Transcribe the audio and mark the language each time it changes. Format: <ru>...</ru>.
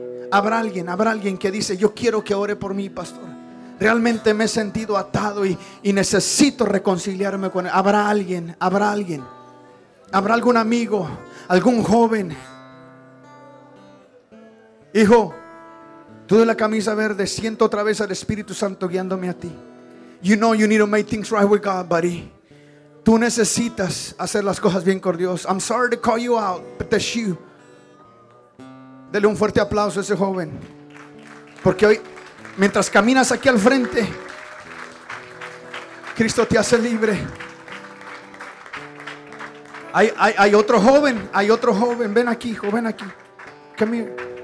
<es>¿Habrá alguien que dice, yo quiero que ore por mí, pastor? Realmente me he sentido atado y necesito reconciliarme con él. ¿Habrá alguien? ¿Habrá algún amigo? ¿Algún joven? Hijo, tú de la camisa verde, siento otra vez al Espíritu Santo guiándome a ti.</es> <en>You know you need to make things right with God, buddy.</en> <es>Tú necesitas hacer las cosas bien con Dios.</es> <en>I'm sorry to call you out, but that's you.</en> <es>Dele un fuerte aplauso a ese joven. Porque hoy, mientras caminas aquí al frente, Cristo te hace libre. Hay otro joven. Ven aquí, hijo, ven aquí.</es> <en>Come here.</en>